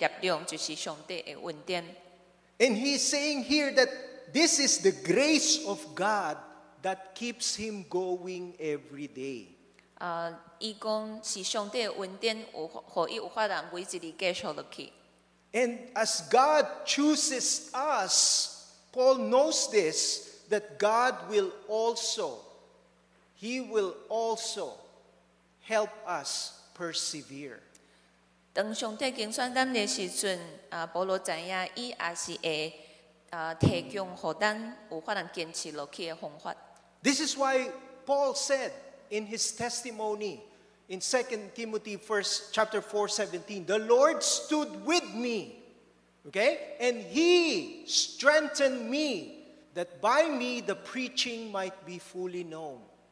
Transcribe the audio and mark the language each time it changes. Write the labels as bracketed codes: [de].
[nan] 对救赎开始，保罗强调了支持伊的力量，就是上帝的恩典。 [en] And he's saying here that this is the grace of God that keeps him going every day. [nan] 伊讲是上帝的恩典，有予伊有法通每一日继续落去。 [en] And as God chooses us, Paul knows this, that God will also. He will also help us persevere. This is why Paul said in his testimony in 2 Timothy 1, chapter 4, 17, "The Lord stood with me, okay, and he strengthened me, that by me the preaching might be fully known."